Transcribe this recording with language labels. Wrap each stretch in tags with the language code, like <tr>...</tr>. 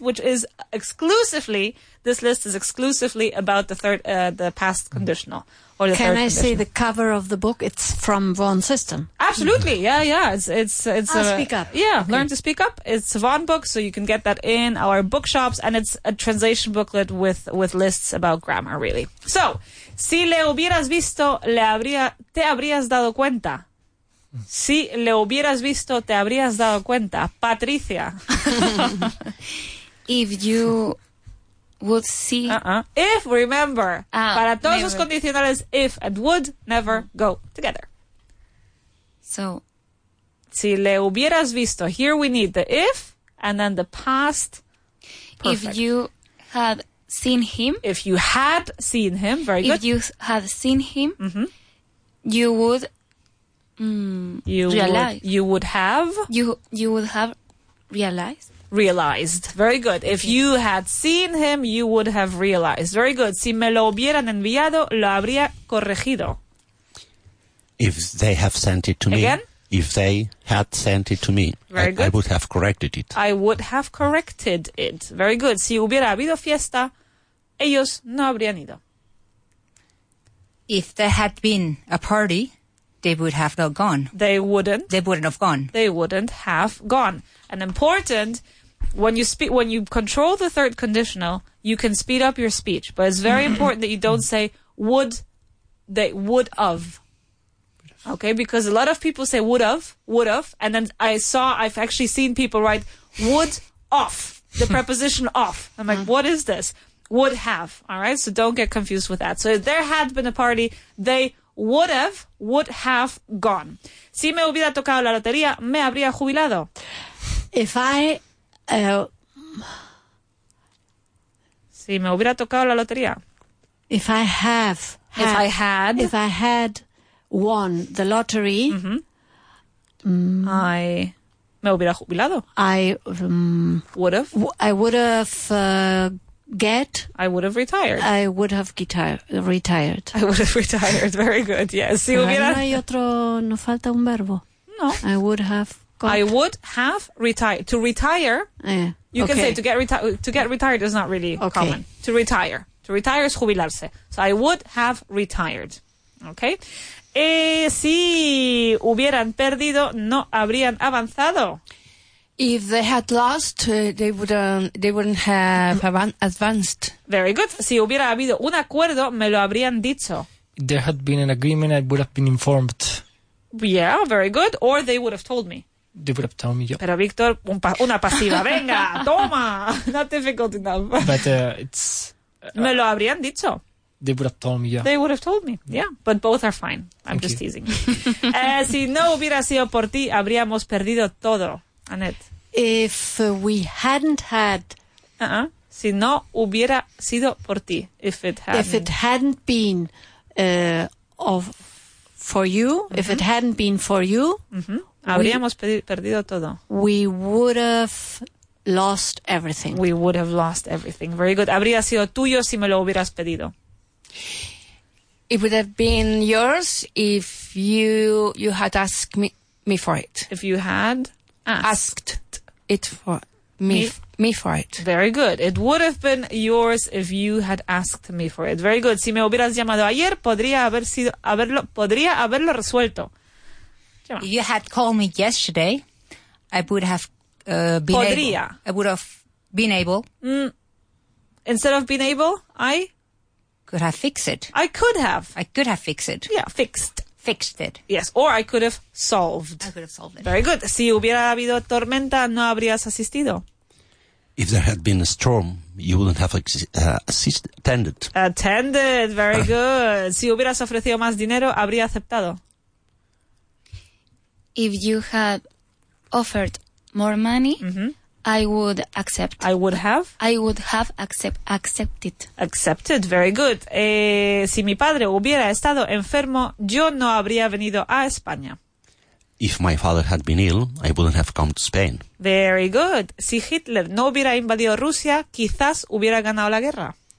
<en>Which is exclusively, this list is exclusively about the third, the past conditional. Or the Can third I see the cover of the book? It's from Vaughan System. Absolutely. Yeah, yeah. It's Speak Up. Yeah, okay. Learn to Speak Up. It's a Vaughan book, so you can get that in our bookshops. And it's a translation booklet with lists about grammar, really.</en> <es>So, si le hubieras visto, te habrías dado cuenta. Si le hubieras visto, te habrías dado cuenta. Patricia.</es> <en>If you would see. If, remember.</en> <es>Para todos los condicionales,</es> <en>if and would never go together. So,</en> <es>si le hubieras visto,</es> <en>here we need the if and then the past perfect. If you had seen him. If you had seen him, very good. If you had seen him, you would realize. You would have realized. Very good. If you had seen him, you would have realized. Very good.</en> <es>Si me lo hubieran enviado, lo habría corregido.</es> <en>If they have sent it to me. Again? If they had sent it to me, I would have corrected it. I would have corrected it. Very good.</en> <es>Si hubiera habido fiesta, ellos no habrían ido.</es> <en>If there had been a party, they would have not gone. They wouldn't have gone. They wouldn't have gone. And important, when you control the third conditional, you can speed up your speech. But it's very important that you don't say would, they would of. Okay, because a lot of people say would of, and then I've actually seen people write would of, the preposition of. I'm like, what is this? Would have, all right? So don't get confused with that. So if there had been a party, they would have gone.</en> <es>Si me hubiera tocado la lotería, me habría jubilado.</es> <en>If I...</en> <es>si me hubiera tocado la lotería.</es> <en>If I have... If I had won the lottery... I...</en> <es>Me hubiera jubilado.</es> <en>I would have retired. I would have retired. I would have retired. Very good. Yes.</en> <es>Si hubiera... No hay otro... No falta un verbo. No.</es> <en>I would have... I would have retired. To retire, can say to get retired is not really common. To retire. To retire is jubilarse. So I would have retired. Okay?</en> <es>Si hubieran perdido, no habrían avanzado.</es> <en>If they had lost, they wouldn't have advanced. Very good.</en> <es>Si hubiera habido un acuerdo, me lo habrían dicho.</es> <en>If there had been an agreement, I would have been informed. Yeah, very good. Or they would have told me. They would have told me.</en> <es>Pero Víctor, una pasiva. Venga, toma.</es> <en>Not difficult enough. But it's...</en> <es>me lo habrían dicho.</es> <en>They would have told me, yeah. They would have told me, yeah. But both are fine. I'm just teasing.</en> <es>si no hubiera sido por ti, habríamos perdido todo. Annette.</es> <en>If we hadn't had...</en> <es>Si no hubiera sido por ti.</es> <en>If it hadn't... If it hadn't been for you, if it hadn't been for you...</en> <es>Habríamos perdido todo.</es> <en>We would have lost everything. We would have lost everything. Very good.</en> <es>Habría sido tuyo si me lo hubieras pedido.</es> <en>It would have been yours if you had asked me, me for it. If you had asked it for me for it. Very good. It would have been yours if you had asked me for it. Very good.</en> <es>Si me hubieras llamado ayer, podría haberlo resuelto.</es> <en>If you had called me yesterday, I would have been</en> <es>podría.</es> <en>Able. I would have been able. Mm. Instead of been able, I could have fixed it. I could have. I could have fixed it. Yeah, fixed. Fixed it. Yes, or I could have solved. I could have solved it. Very good.</en> <es>Si hubiera habido tormenta, no habrías asistido.</es> <en>If there had been a storm, you wouldn't have attended. Attended. Very good.</en> <es>Si hubieras ofrecido más dinero, habría aceptado.</es> <en>If you had offered more money, I would accept. I would have? I would have accepted. Accepted. Very good.</en> <es>Si mi padre hubiera estado enfermo, yo no habría venido a España.</es> <en>If my father had been ill, I wouldn't have come to Spain. Very good.</en> <es>Si Hitler no hubiera invadido Rusia, quizás hubiera ganado la guerra.</es>